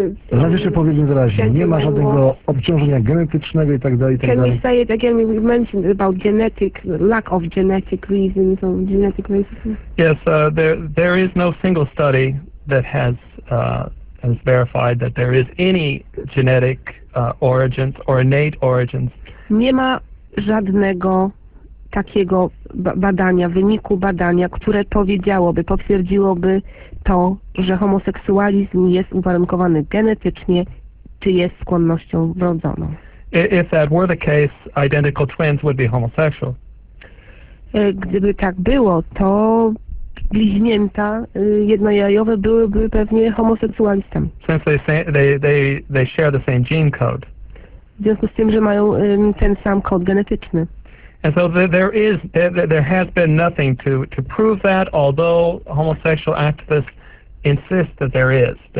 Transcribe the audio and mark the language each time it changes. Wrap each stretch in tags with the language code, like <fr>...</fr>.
<pl>Raz jeszcze powiedzmy wyraźnie, nie ma żadnego obciążenia genetycznego itd.</pl> <en>Can we say it again, we mentioned about genetic, lack of genetic reasons or genetic reasons? Yes, there is no single study that has verified that there is any genetic origins or innate origins.</en> <pl>Nie ma żadnego takiego badania, wyniku badania, które powiedziałoby, potwierdziłoby to, że homoseksualizm jest uwarunkowany genetycznie, czy jest skłonnością wrodzoną.</pl> <en>If that were the case, identical twins would be homosexual.</en> <pl>Gdyby tak było, to bliźnięta jednojajowe byłyby pewnie homoseksualistami.</pl> <en>Since they share the same gene code.</en> <pl>W związku z tym, że mają ten sam kod genetyczny.</pl> <en>And so there has been nothing to prove that, although homosexual activists insist that there is.</en>